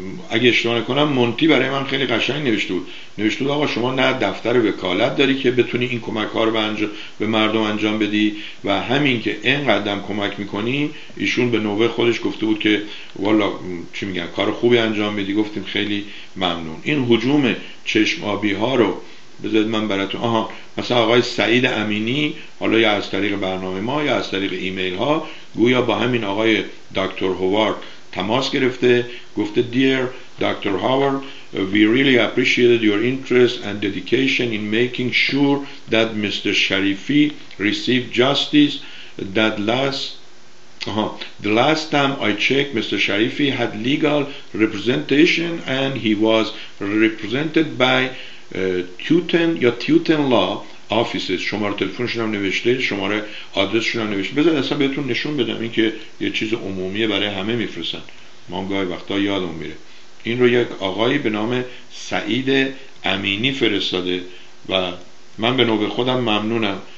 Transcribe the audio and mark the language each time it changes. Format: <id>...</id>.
<fa>اگه اشتباه نکنم مونتی برای من خیلی قشنگ نوشته بود، نوشته بود آقا شما نه دفتر وکالت داری که بتونی این کمک ها رو به مردم انجام بدی، و همین که اینقدر هم کمک میکنی، ایشون به نوبه خودش گفته بود که والا چی میگن کار خوبی انجام میدی، گفتیم خیلی ممنون. این هجوم چشم آبی ها رو بذارید من براتون، آها مثلا آقای سعید امینی، حالا یا از طریق برنامه ما یا از طریق ایمیل ها، گویا با همین آقای دکتر هوارد تماس گرفته، گفته</fa> <en>Dear Dr. Howard, we really appreciated your interest and dedication in making sure that Mr. Sharifi received justice. The last time I checked, Mr. Sharifi had legal representation and he was represented by Tutan Law</en> <fa>آفیسش، شماره تلفنشون هم نوشته، شماره آدرسشون هم نوشته. بذار اصلا بهتون نشون بدم، این که یه چیز عمومیه برای همه میفرستن، ما گاهی وقتا یادمون میره. این رو یک آقایی به نام سعید امینی فرستاده و من به نوبه خودم ممنونم.</fa>